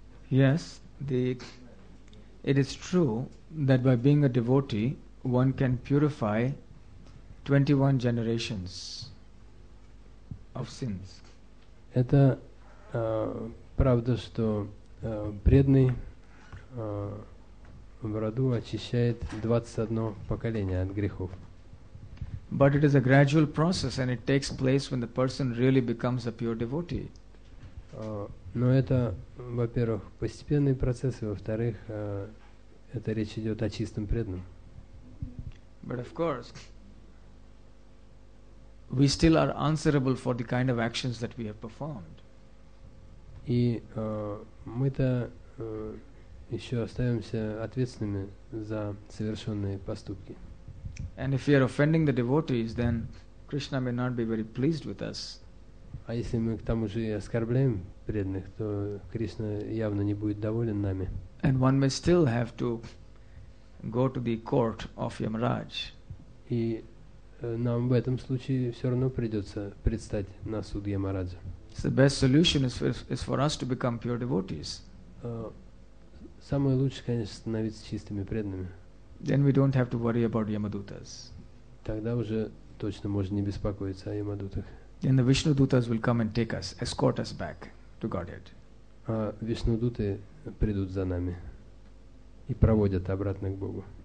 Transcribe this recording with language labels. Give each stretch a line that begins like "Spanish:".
English: Yes, it is true that by being a devotee, one can purify 21 generations of sins.
Russian: Это правда, что преданный в роду очищает 21 поколение от грехов.
English: But it is a gradual process, and it takes place when the person really becomes a pure devotee.
Russian: Но это, во-первых, постепенный процесс, и во-вторых, это речь идет о чистом преданном.
English: But of course, we still are answerable for the kind of actions that we have performed.
Russian: И мы-то еще остаемся ответственными за совершенные поступки.
English: And if we are offending the devotees, then Krishna may not be very pleased with us.
Russian: А если мы к тому же и оскорбляем преданных, то Кришна явно не будет доволен нами.
English: And one may still have to go to the court of Yamaraj.
Russian: И нам в этом случае все равно придется предстать на суд Ямараджа.
English: So the best solution is for us to become pure devotees.
Russian: Самое лучшее, конечно, становиться чистыми преданными.
English: Then we don't have to worry about Yamadutas.
Russian: Тогда уже точно можно не беспокоиться о Ямадутах.
English: Then the Vishnu Dutas will come and take us, escort us back to Godhead.
Russian: Вишну Дуты придут за нами и проводят обратно к Богу.